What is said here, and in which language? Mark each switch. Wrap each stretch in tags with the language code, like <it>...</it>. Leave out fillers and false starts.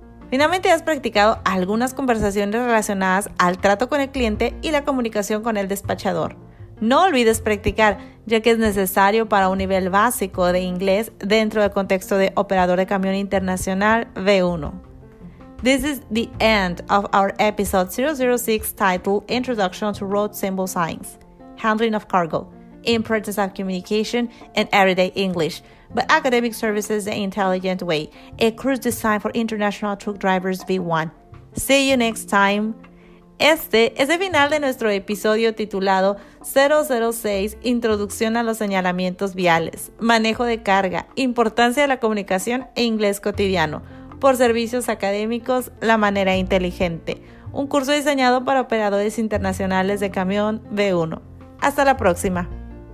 <es>Finalmente, has practicado algunas conversaciones relacionadas al trato con el cliente y la comunicación con el despachador. No olvides practicar, ya que es necesario para un nivel básico de inglés dentro del contexto de operador de camión internacional B1.</es> <en>This is the end of our episode 006 titled Introduction to Road Symbol Signs, Handling of Cargo, Importance of Communication, and Everyday English, by Academic Services The Intelligent Way, a cruise design for international truck drivers B1. See you next time!</en> <es>Este es el final de nuestro episodio titulado 006 Introducción a los Señalamientos Viales, Manejo de Carga, Importancia de la Comunicación e Inglés Cotidiano, por Servicios Académicos La Manera Inteligente, un curso diseñado para operadores internacionales de camión B1. Hasta la próxima.</es>